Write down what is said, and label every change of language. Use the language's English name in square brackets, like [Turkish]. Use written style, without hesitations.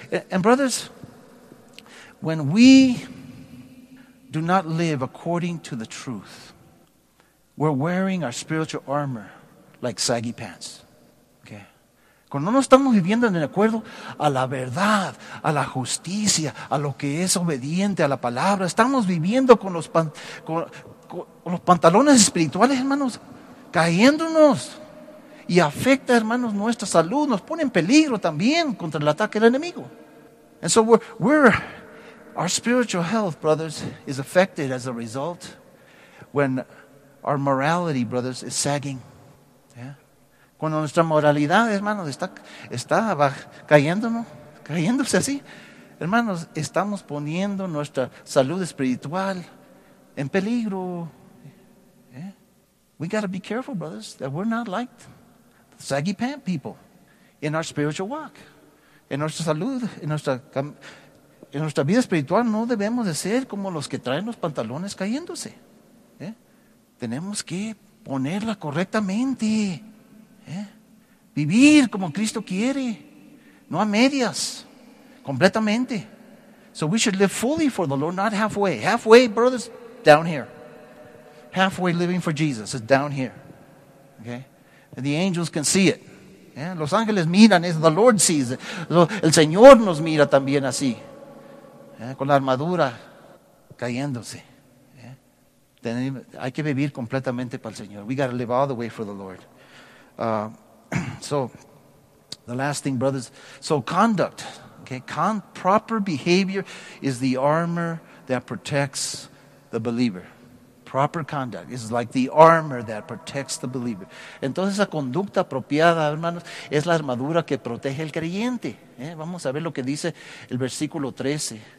[English] And brothers, when we do not live according to the truth, we're wearing our spiritual armor like saggy pants. Okay. [Spanish] Cuando no estamos viviendo en acuerdo a la verdad, a la justicia, a lo que es obediente a la palabra, estamos viviendo con los pantalones espirituales, hermanos, cayéndonos, y afecta, hermanos, nuestra salud, nos pone en peligro también contra el ataque del enemigo. [English] And so we're our spiritual health, brothers, is affected as a result when our morality, brothers, is sagging. Yeah. [Spanish] Cuando nuestra moralidad, hermanos, está cayéndose así, hermanos, estamos poniendo nuestra salud espiritual en peligro. [English] We got to be careful, brothers, that we're not like saggy pant people in our spiritual walk. [Spanish] En nuestra salud, en nuestra vida espiritual, no debemos de ser como los que traen los pantalones cayéndose. Tenemos que ponerla correctamente. Vivir como Cristo quiere, no a medias, completamente. [English] So we should live fully for the Lord, not halfway. Halfway, brothers, down here. Halfway living for Jesus is down here. Okay? And the angels can see it. Yeah? [Spanish] Los ángeles miran eso. [English] The Lord sees it. [Spanish] El Señor nos mira también así. Yeah? Con la armadura cayéndose. Yeah? Hay que vivir completamente para el Señor. [English] We got to live all the way for the Lord. So, the last thing, brothers. So, conduct. Okay? Proper behavior is the armor that protects the believer. Proper conduct is like the armor that protects the believer. [Spanish] Entonces, la conducta apropiada, hermanos, es la armadura que protege al creyente. Vamos a ver lo que dice el versículo 13.